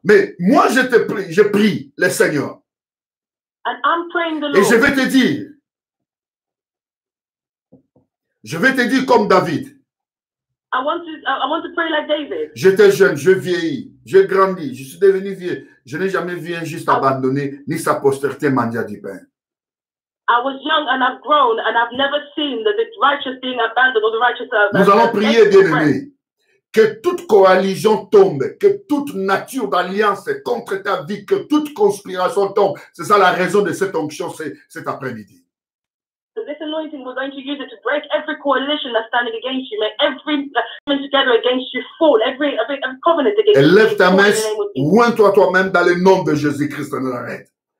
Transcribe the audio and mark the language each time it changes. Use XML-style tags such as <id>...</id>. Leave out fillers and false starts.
<fr>Mais moi je prie le Seigneur.</fr> <en>And I'm praying the Lord.</en> <fr>Et je vais te dire comme David.</fr> <en>I want to pray like David.</en> <fr>J'étais jeune, je vieillis, je grandis, je suis devenu vieux. Je n'ai jamais vu un juste abandonné ni sa postérité mendier du pain.</fr> <en>I was young and I've grown and I've never seen the righteous being abandoned or the righteous.</en> <fr>Nous allons prier, bien-aimé, que toute coalition tombe, que toute nature d'alliance est contre ta vie, que toute conspiration tombe. C'est ça la raison de cette onction cet après-midi.</fr> <en>So this anointing, we're going to use it to break every coalition that's standing against you. May every coming together against you fall. Every covenant against</en> <fr>Et</fr> <en>you.</en> <fr>Lève ta main, oint-toi toi-même dans le nom de Jésus-Christ de Nazareth.</fr>